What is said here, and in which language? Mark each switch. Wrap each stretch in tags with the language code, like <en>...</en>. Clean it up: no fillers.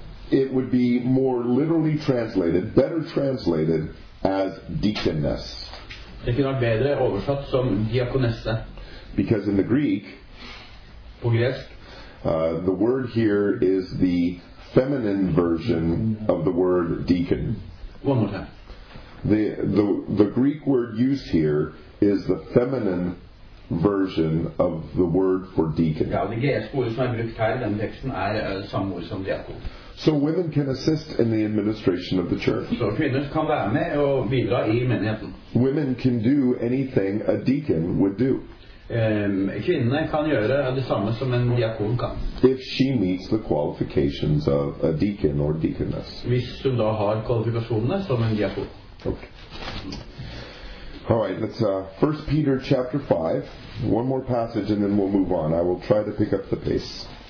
<en>It would be more literally translated, better translated, as deaconess.</en> <no>Det kunne vært bedre oversatt som diakonesse.</no> <en>Because in the Greek,</en> <no>på gresk,</no> <en>the word here is the feminine version of the word deacon. One more time. The Greek word used here is the feminine version of the word for deacon.</en> <no>Ja, det greske ordet som brukt her I denne teksten samme ord som diakon.</no> <en>So women can assist in the administration of the church.</en> <no>Så kvinner kan være med og bidra I menigheten.</no> <en>Women can do anything a deacon would do.</en> <no>Kvinner kan gjøre det samme som en diakon kan.</no> <en>If she meets the qualifications of a deacon or deaconess.</en> <no>Hvis hun da har kvalifikasjonene som en diakon.</no> <en>Okay. All right, let's 1 Peter chapter 5. One more passage and then we'll move on. I will try to pick up the pace.</en>